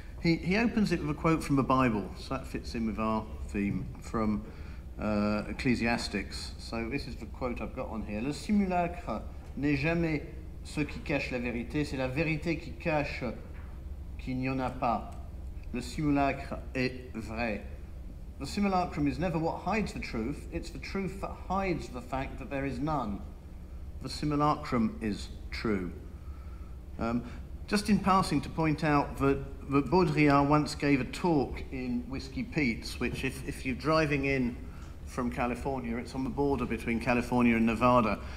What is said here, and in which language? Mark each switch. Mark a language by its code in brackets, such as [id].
[en] He opens it with a quote from the Bible, so that fits in with our theme from Ecclesiastics. So this is the quote I've got on here. [fr] Le simulacre n'est jamais ce qui cache la vérité, c'est la vérité qui cache qu'il n'y en a pas. Le simulacre est vrai. [en] The simulacrum is never what hides the truth, it's the truth that hides the fact that there is none. The simulacrum is true. Just in passing to point out that Baudrillard once gave a talk in Whiskey Pete's, which if you're driving in from California, it's on the border between California and Nevada.